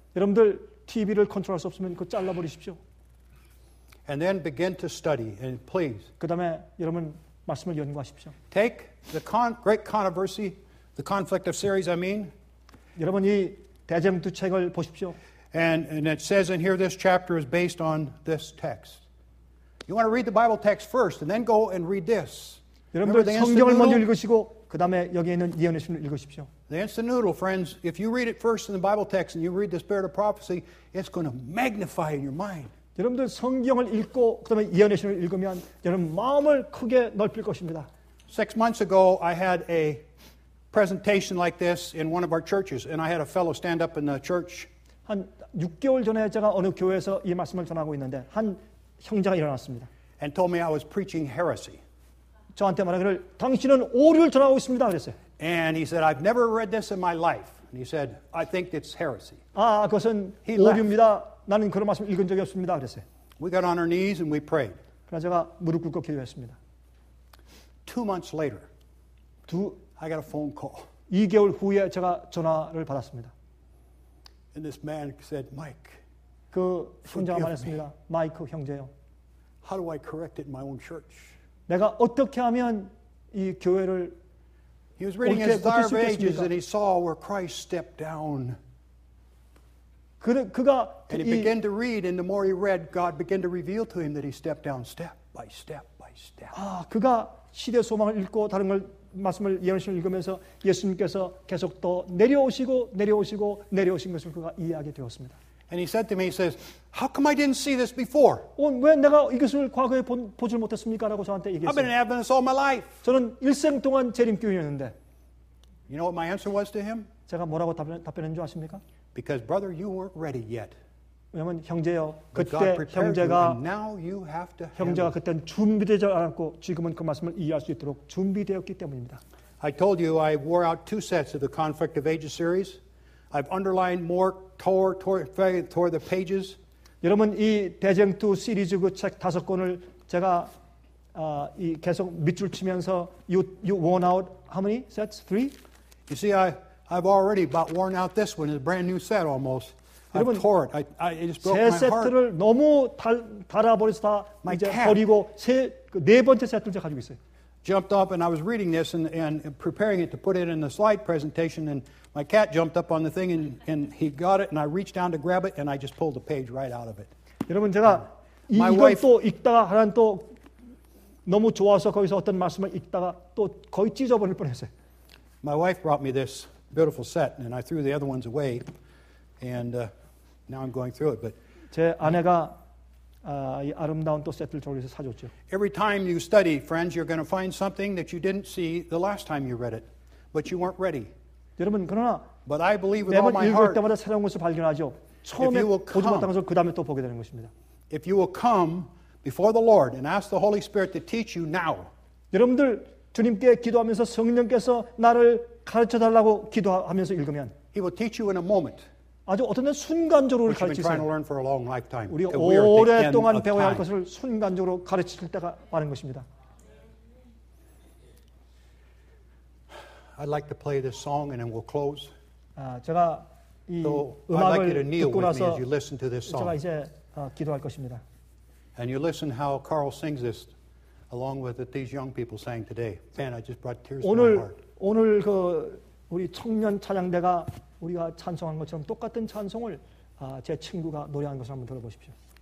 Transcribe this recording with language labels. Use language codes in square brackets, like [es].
[ko] 여러분들 TV를 컨트롤할 수 없으면 그거 잘라버리십시오. [en] And then begin to study, and please. [ko] 그다음에 여러분 말씀을 연구하십시오. [en] Take the great controversy, the conflict of series, I mean. [ko] 여러분 이 대제문투 책을 보십시오. [en] And it says in here this chapter is based on this text. You want to read the Bible text first, and then go and read this. [ko] 여러분들 성경을 먼저 읽으시고 그다음에 여기 있는 예언의 신문을 읽으십시오. [en] The instant noodle, friends. If you read it first in the Bible text and you read the spirit of prophecy, it's going to magnify in your mind. [ko] 여러분들 성경을 읽고 그다음에 예언의 신문을 읽으면 여러분 마음을 크게 넓힐 것입니다. [en] 6 months ago, I had a presentation like this in one of our churches, and I had a fellow stand up in the church. [ko] 한 6개월 전에 제가 어느 교회에서 이 말씀을 전하고 있는데 한 형제가 일어났습니다. [en] And told me I was preaching heresy. [ko] 저한테 말하기를 당신은 오류를 전하고 있습니다 그랬어요. [en] And he said I've never read this in my life. And he said I think it's heresy. [ko] 아, 그것은 [en] he [ko] 오류입니다. [en] Left. [ko] 나는 그런 말씀 읽은 적이 없습니다 그랬어요. [en] We got on our knees and we prayed. [ko] 그래서 제가 무릎 꿇고 기도했습니다. [en] 2 months later. I got a phone call. [ko] 2개월 후에 제가 전화를 받았습니다. [en] And this man said, Mike. [ko] 그 형제가 말했습니다. 마이크 형제요. [en] How do I correct it in my own church? [ko] 내가 어떻게 하면 이 교회를 [en] He was reading his Dire of Ages and he saw where Christ stepped down. [ko] 그가 [en] And he began to read and the more he read God began to reveal to him that he stepped down step by step by step. [ko] 아, 그가 시대 소망을 읽고 다른 걸 말씀을 예언을 읽으면서 예수님께서 계속 또 내려오시고 내려오시고 내려오신 것을 그가 이해하게 되었습니다. [en] And he said to me, he says, how come I didn't see this before? [ko] 왜 내가 이것을 과거에 보질 못했습니까? 라고 저한테 얘기했어요. [en] I've been an Adventist all my life. [ko] 저는 일생 동안 재림교인이었는데. [en] You know what my answer was to him? [ko] 제가 뭐라고 답변했는 줄 아십니까? [en] Because brother, you weren't ready yet. [ko] 왜냐면 형제여, 그때 형제가 형제가 그때는 준비되지 않았고 지금은 그 말씀을 이해할 수 있도록 준비되었기 때문입니다. [en] I told you I wore out 2 sets of the Conflict of Ages series. I've underlined more, tore the pages. [ko] 여러분 이 대쟁투 시리즈 그 책 다섯 권을 제가 이 계속 밑줄 치면서 [en] you worn out how many sets? 3? You see, I've already about worn out this one. It's a brand new set almost. [ko] 여러분, [en] I tore it. I just broke my heart. [ko] 세 세트를 너무 달아버려서 다 [en] my [ko] 이제 [en] cat. [ko] 버리고 네 번째 세트를 제가 가지고 있어요. [en] Jumped up and I was reading this and preparing it to put it in the slide presentation and my cat jumped up on the thing and he got it and I reached down to grab it and I just pulled the page right out of it. [ko] 여러분 제가 이걸 또 읽다가 하나는 또 너무 좋아서 거기서 어떤 말씀을 읽다가 또 거의 찢어버릴 뻔했어요. [en] My wife brought me this beautiful set and I threw the other ones away and now I'm going through it. But [ko] 제 아내가 이 아름다운 또 세트를 저기서 사줬죠. [en] Every time you study, friends, you're going to find something that you didn't see the last time you read it, but you weren't ready. [ko] 여러분 그러나 [en] But I believe with all my heart. [ko] 매번 읽을 때마다 새로운 것을 발견하죠. 처음에 보지 못한 것을 그 다음에 또 보게 되는 것입니다. [en] If you will come before the Lord and ask the Holy Spirit to teach you now. [ko] 여러분들 주님께 기도하면서 성령께서 나를 가르쳐 달라고 기도하면서 읽으면 [en] He will teach you in a moment. [ko] 아주 어떤 데 순간적으로 가르치세요. 우리가 오랫동안 배워야 할 것을 순간적으로 가르칠 때가 많은 것입니다. [en] I'd like to play this song and then we'll close. [ko] 아, 제가 이 음악을 듣고 나서 [en] as you listen to this song. [ko] 제가 이제 기도할 것입니다. [en] And you listen how Carl sings this along with that these young people sang today. Man, I just brought tears to my heart. [ko] 오늘 그 우리 청년 찬양대가 우리가 찬송한 것처럼 똑같은 찬송을 제 친구가 노래하는 것을 한번 들어보십시오.